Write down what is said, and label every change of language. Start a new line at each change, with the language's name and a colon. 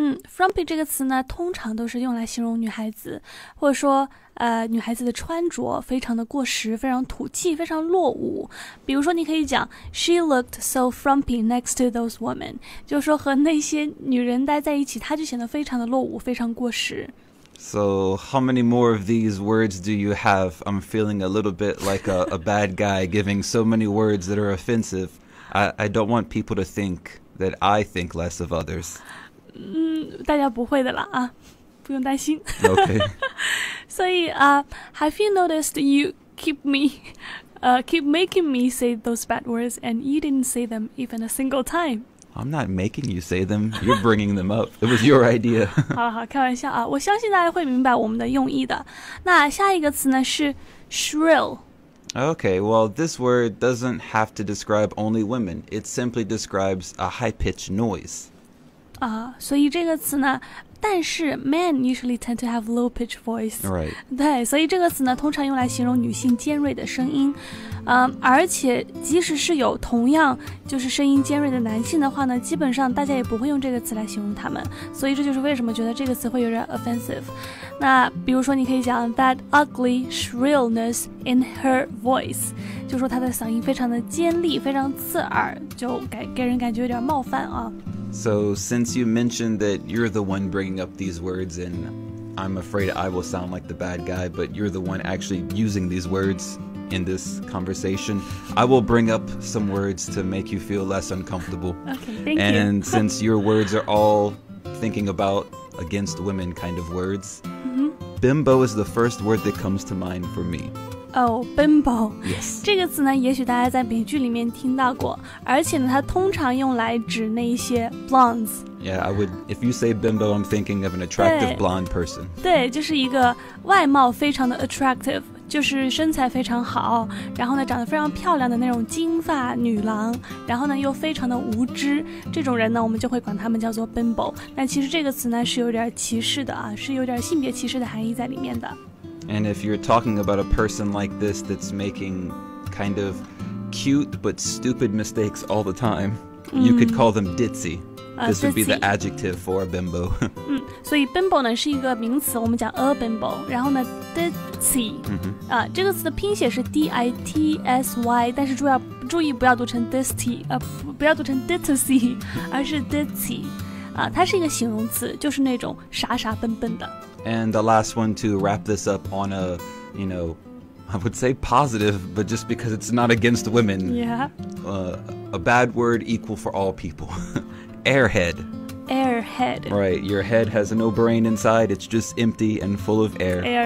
Chinese: frumpy 这个词呢通常都是用来形容女孩子或者说女孩子的穿着非常的过时非常土气非常落伍比如说你可以讲
English: She looked so frumpy next to those women
Chinese: 就是说和那些女人待在一起她就显得非常的落伍非常过时
English: So how many more of these words do you have? I'm feeling a little bit like a bad guy giving so many words that are offensive I don't want people to think that I think less of others
Chinese: 大家不会的啦啊不用担心
English: Okay
Chinese: 所以
English: have you noticed you keep making me say those bad words and you didn't say them even a single time I'm not making you say them you're bringing them up it was your idea
Chinese: 好了好开玩笑啊我相信大家会明白我们的用意的那下一个词呢是 shrill
English: Okay, well, this word doesn't have to describe only women. It simply describes a high-pitched noise.
Chinese: 所以这个词呢，但是
English: men usually tend to have low-pitched voice. Right.
Chinese: 对，所以这个词呢，通常用来形容女性尖锐的声音。而且即使是有同样就是声音尖锐的男性的话呢，基本上大家也不会用这个词来形容他们。所以这就是为什么觉得这个词会有点 offensive。那比如说你可以讲
English: that ugly shrillness in her voice
Chinese: 就说她的嗓音非常的尖利非常刺耳就 给人感觉有点冒犯啊
English: So since you mentioned that you're the one bringing up these words and I'm afraid I will sound like the bad guy but you're the one actually using these words in this conversation I will bring up some words to make you feel less uncomfortable Okay, thank you And since your words are all thinking aboutAgainst women kind of words. Mm-hmm. Bimbo is the first word that comes to mind for me. Oh, bimbo. Yes.
Chinese: 这个词呢也许大家在美剧里面听到过而且呢它通常用来指那一些 blondes.
English: Yeah, I would, if you say bimbo, I'm thinking of an attractive blonde person.
Chinese: 对就是一个外貌非常的 attractive, 就是身材非常好然后呢长得非常漂亮的那种金发女郎然后呢又非常的无知这种人呢我们就会管他们叫做 bimbo. 那其实这个词呢是有点歧视的啊是有点性别歧视的含义在里面的。
English: And if you're talking about a person like this that's making kind of cute but stupid mistakes all the time, you could call them ditzy. This would be the adjective for a bimbo.
Chinese: 所以 bimbo 呢是一个名词我们讲 a bimbo, 然后呢 ditzy,、 mm-hmm. 这个词的拼写是 D-I-T-S-Y, 但是注意不要读成 ditzy,、不要读成 ditzy, 而是 ditzy. 它是一个形容词就是那种傻傻笨笨的
English: And the last one to wrap this up on a you know I would say positive but just because it's not against women Yeah a bad word equal for all people Airhead Airhead Right your head has no brain inside it's just empty and full of air